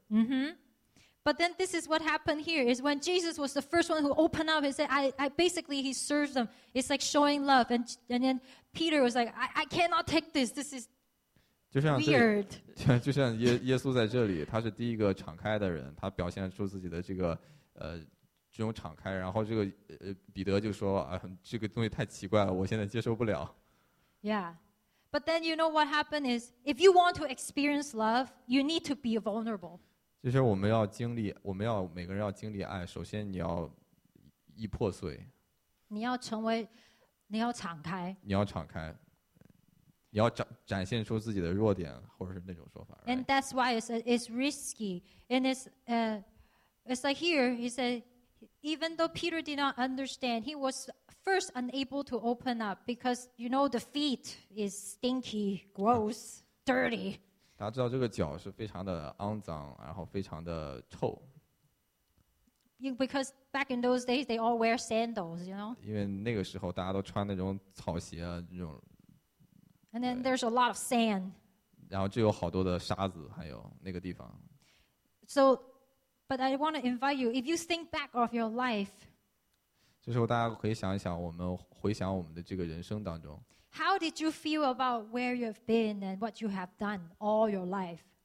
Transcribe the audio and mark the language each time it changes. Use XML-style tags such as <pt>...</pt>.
<en>Mm-hmm. But then this is what happened here is when Jesus was the first one who opened up and said, I basically he serves them. It's like showing love. And then Peter was like, I cannot take this. This is weird.</en> <zh>就像耶稣在这里，他是第一个敞开的人，他表现出自己的这种敞开。然后彼得就说，这个东西太奇怪了，我现在接受不了。</zh> <en>Yeah. But then you know what happened is if you want to experience love, you need to be vulnerable.</en> <zh>就是我们要每个人要经历爱，首先你要一破碎，你要成为，你要敞开，你要敞开，你要展现出自己的弱点，或者是那种说法。</zh> <en>And that's why it's risky. And it's like here he said, even though Peter did not understand, he was first unable to open up because you know the feet is stinky, gross, dirty.</en> <zh>大家知道这个脚是非常的肮脏，然后非常的臭。</zh> <en>Because back in those days, they all wear sandals, you know.</en> <zh>因为那个时候大家都穿那种草鞋啊，那种。</zh> <en>And then there's a lot of sand.</en> <zh>然后就有好多的沙子，还有那个地方。</zh> <en>So, but I want to invite you, if you think back of your life.</en> <zh>这时候大家可以想一想，我们回想我们的这个人生当中。</zh> <en>How did you feel about where you've been and what you have done all your life?</en>